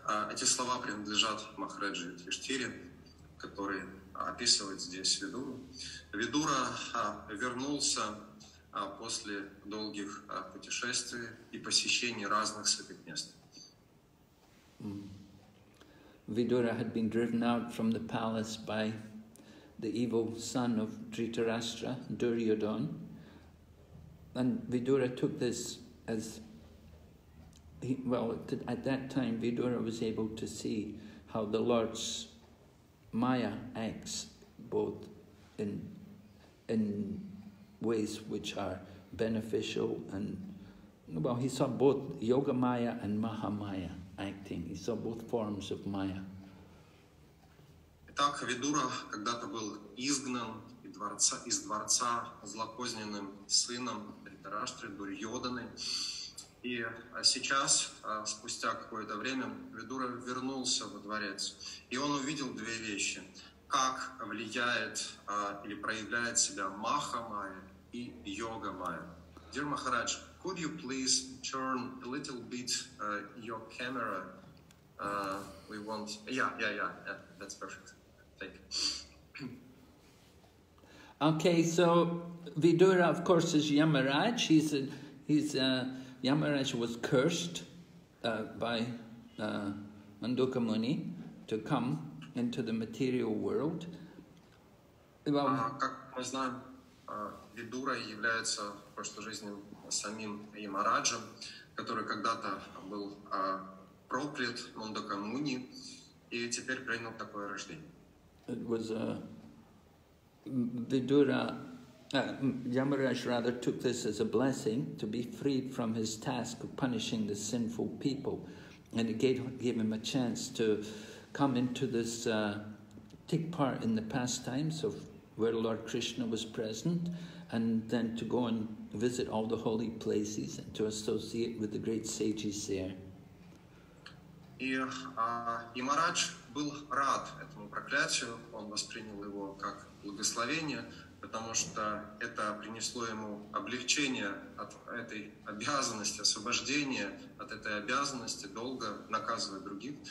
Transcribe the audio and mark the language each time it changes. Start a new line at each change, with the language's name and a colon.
Russian: Эти слова принадлежат Махараджи Юдхиштхире, который описывает здесь Видуру. Видура вернулся после долгих путешествий и посещений разных святых мест.
English: Видура had been driven out from the palace by the evil son of Dhritarashtra, Duryodhan. And Видура took this as at that time, Vidura was able to see how the Lord's Maya acts both in ways which are beneficial and, well, he saw both Yoga Maya and Maha Maya acting. He saw both forms of Maya.
Russian: Итак, Vidura когда-то был изгнан из дворца злокозненным сыном Дхритарашты, Дурьодханы. И сейчас, спустя какое-то время, Видура вернулся во дворец, и он увидел две вещи. Как влияет или проявляет себя Маха Майя и Йога Майя.
English: Dear Maharaj, could you please turn a little bit your camera? We want... Yeah, that's perfect. Thank you. Okay, so Vidura, of course, is Yamaraj. Yamaraj was cursed by Manduka Muni to come into the material world.
Russian: Well, как мы знаем, Видура является в прошлой жизни самим Ямараджем, который когда-то был проклят Мандука Муни и теперь принял такое рождение.
English: It was Видура. Yamaraj rather took this as a blessing to be freed from his task of punishing the sinful people, and it gave him a chance to come into this take part in the pastimes of where Lord Krishna was present, and then to go and visit all the holy places and to associate with the great sages there.
Russian: Yamaraj был рад этому проклятию, он воспринял его как благословение, потому что это принесло ему облегчение от этой обязанности, освобождение от этой обязанности, долго наказывать других.